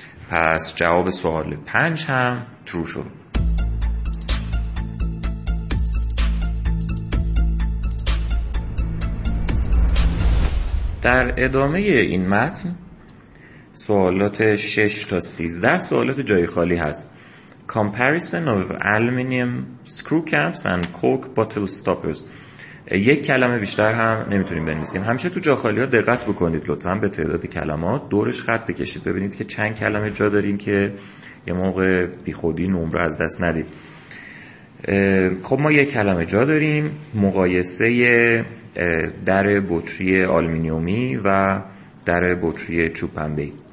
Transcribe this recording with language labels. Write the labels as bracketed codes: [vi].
[fa] پس جواب سوال 5 هم true شد. در ادامه این متن سوالات 6 تا 13 سوالات جای خالی هست. [en] Comparison of aluminium screw caps and cork bottle stoppers. [fa] یک کلمه بیشتر هم نمیتونیم بنویسیم. همیشه تو جا خالی ها دقت بکنید لطفاً، به تعداد کلمات دورش خط بکشید، ببینید که چند کلمه جا داریم که یه موقع بی خودی نمره از دست ندید. خب ما یک کلمه جا داریم، مقایسه در بطری آلومینیومی و در بطری چوب پنبه.